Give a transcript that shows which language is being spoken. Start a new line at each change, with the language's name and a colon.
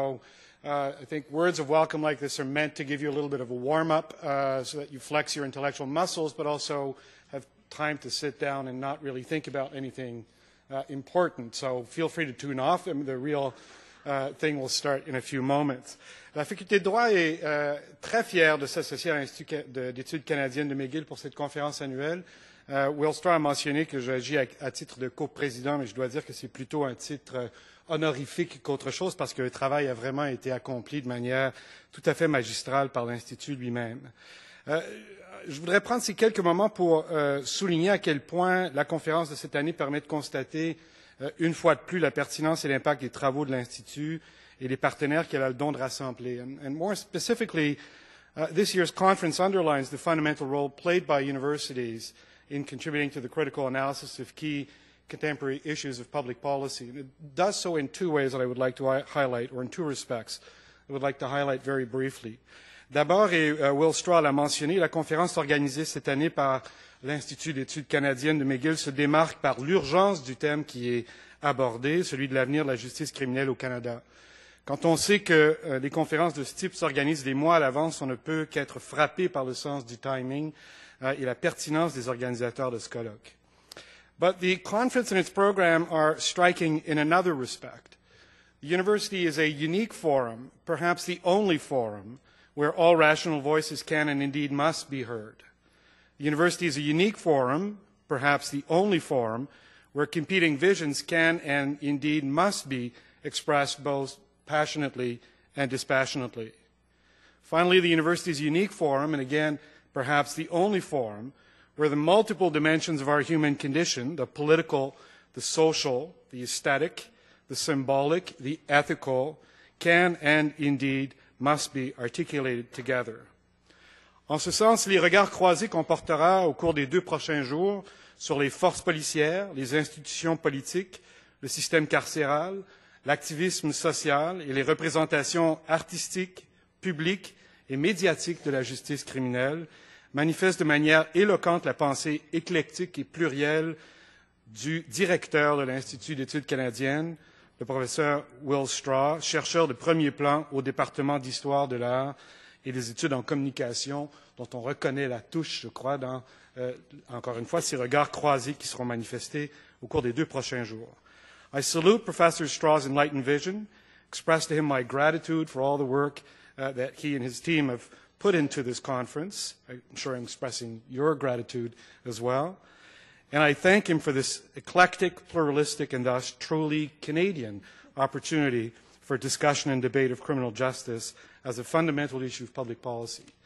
English: So I think words of welcome like this are meant to give you a little bit of a warm-up so that you flex your intellectual muscles, but also have time to sit down and not really think about anything important. So feel free to tune off. I mean, the real thing will start in a few moments.
French: La Faculté de droit est très fière de s'associer à l'Institut d'études canadiennes de McGill pour cette conférence annuelle. Will Straw a mentionné que j'agis à titre de co-président, mais je dois dire que c'est plutôt un titre honorifique qu'autre chose parce que le travail a vraiment été accompli de manière tout à fait magistrale par l'Institut lui-même. Je voudrais prendre ces quelques moments pour souligner à quel point la conférence de cette année permet de constater une fois de plus la pertinence et l'impact des travaux de l'Institut et les partenaires qu'elle a le don de rassembler.
English: And more specifically, this year's conference underlines the fundamental role played by universities in contributing to the critical analysis of key contemporary issues of public policy. And it does so in two ways that I would like to highlight, or in two respects, I would like to highlight very briefly.
French: D'abord, et Will Straw l'a mentionné, la conférence organisée cette année par l'Institut d'études canadiennes de McGill se démarque par l'urgence du thème qui est abordé, celui de l'avenir de la justice criminelle au Canada. Quand on sait que des conférences de ce type s'organisent des mois à l'avance, on ne peut qu'être frappé par le sens du timing et la pertinence des organisateurs de ce colloque.
English: But the conference and its program are striking in another respect. The university is a unique forum, perhaps the only forum, where all rational voices can and indeed must be heard. The university is a unique forum, perhaps the only forum, where competing visions can and indeed must be expressed both passionately and dispassionately. Finally, the university is a unique forum, and again, perhaps the only forum, where the multiple dimensions of our human condition, the political, the social, the aesthetic, the symbolic, the ethical, can and indeed must be articulated together.
French: En ce sens, les regards croisés qu'on portera au cours des deux prochains jours sur les forces policières, les institutions politiques, le système carcéral, l'activisme social et les représentations artistiques, publiques et médiatiques de la justice criminelle manifestent de manière éloquente la pensée éclectique et plurielle du directeur de l'Institut d'études canadiennes, le professeur Will Straw, chercheur de premier plan au département d'histoire de l'art et des études en communication, dont on reconnaît la touche, je crois, dans, encore une fois, ces regards croisés qui seront manifestés au cours des deux prochains jours.
English: I salute Professor Straw's enlightened vision, express to him my gratitude for all the work that he and his team have put into this conference. I'm sure I'm expressing your gratitude as well. And I thank him for this eclectic, pluralistic, and thus truly Canadian opportunity for discussion and debate of criminal justice as a fundamental issue of public policy.